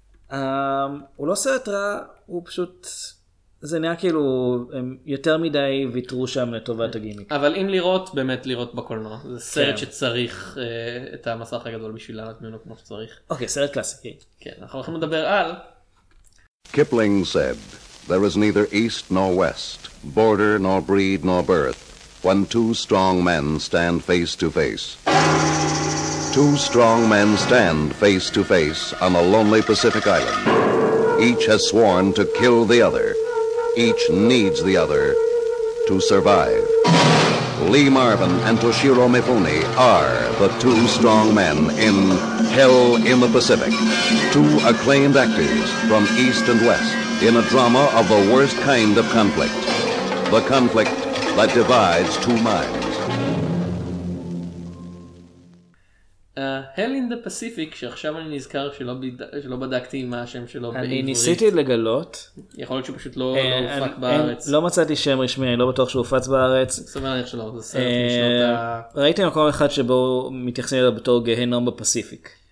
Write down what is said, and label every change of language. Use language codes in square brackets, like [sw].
[he] הוא לא סרט רע, הוא פשוט, זה נהיה כאילו, הם יותר מדי ויתרו שם לטובת הגימיק. אבל אם לראות, באמת לראות בקולנוע, זה סרט שצריך את המסך הגדול בשביל לענות ממנו כמו שצריך. אוקיי, סרט קלאסיקי. כן, אנחנו הולכים לדבר על... [en] Kipling said, there is neither east nor west, border nor breed nor birth, when two strong men stand face to face. Two strong men stand face to face on a lonely Pacific island. Each has sworn to kill the other. Each needs the other to survive. Lee Marvin and Toshiro Mifune are the two strong men in Hell in the Pacific. Two acclaimed actors from East and West in a drama of the worst kind of conflict. The conflict that divides two minds. [he] Hell in the Pacific, שעכשיו אני נזכר שלא בדקתי מה השם שלו בעברית. אני ניסיתי לגלות. יכול להיות שפשוט לא הופק בארץ. לא מצאתי שם רשמי, אני לא בטוח שהוא הופץ בארץ. סביר להניח שלא, זה סרט משנות ה... ראיתי מקום אחד שבו מתייחסים אליו בתור גיהנום בפסיפיק.